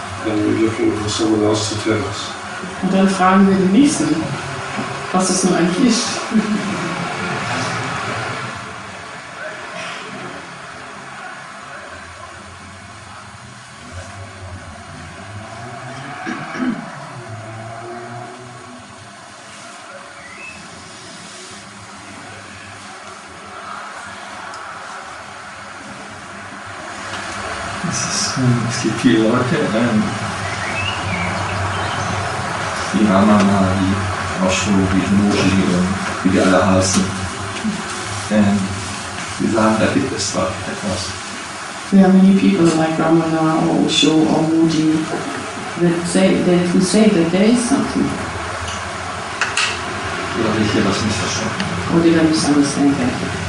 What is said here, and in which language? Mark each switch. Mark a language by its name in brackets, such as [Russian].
[English] And we're looking for someone else to tell us. [German] Und dann fragen wir den Nächsten, was das nun eigentlich ist. Es ist, es gibt viele Leute, die Ramana, die Osho, die Hinoji, wie die alle heißen. Die sagen, da gibt es zwar etwas. [English] There are many people like Ramana or Osho or Moody that say that who say that there is something. [German] Oder habe ich hier was missverstanden? [English] Or did I misunderstand that?